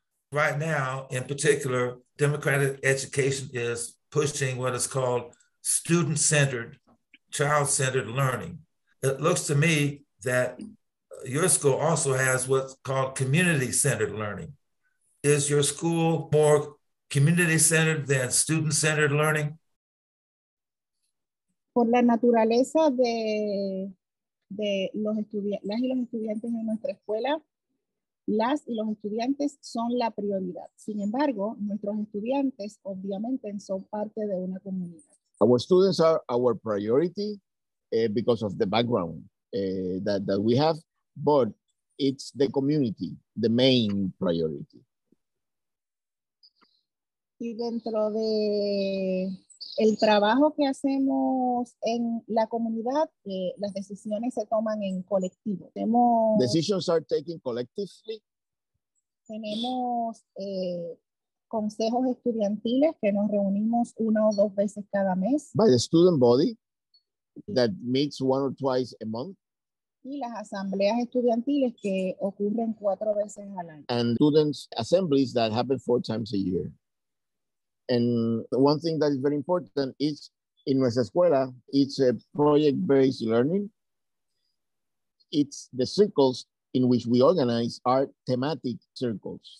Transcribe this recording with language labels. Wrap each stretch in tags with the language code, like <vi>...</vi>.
<en>Right now, in particular, democratic education is pushing what is called student-centered, child-centered learning. It looks to me that your school also has what's called community-centered learning. Is your school more community-centered than student-centered learning?</en> <es>Por la naturaleza de los estudiantes, las y los estudiantes en nuestra escuela, las y los estudiantes son la prioridad. Sin embargo, nuestros estudiantes obviamente son parte de una comunidad.</es> <en>Our students are our priority because of the background that we have, but it's the community, the main priority.</en> <es>Y dentro de el trabajo que hacemos en la comunidad, las decisiones se toman en colectivo.</es> <en>Decisions are taken collectively.</en> <es>Tenemos consejos estudiantiles que nos reunimos una o dos veces cada mes.</es> <en>By the student body that meets one or twice a month.</en> <es>Y las asambleas estudiantiles que ocurren cuatro veces al año.</es> <en>And students assemblies that happen four times a year. And one thing that is very important is in Nuestra Escuela, it's a project-based learning. It's the circles in which we organize are thematic circles.</en>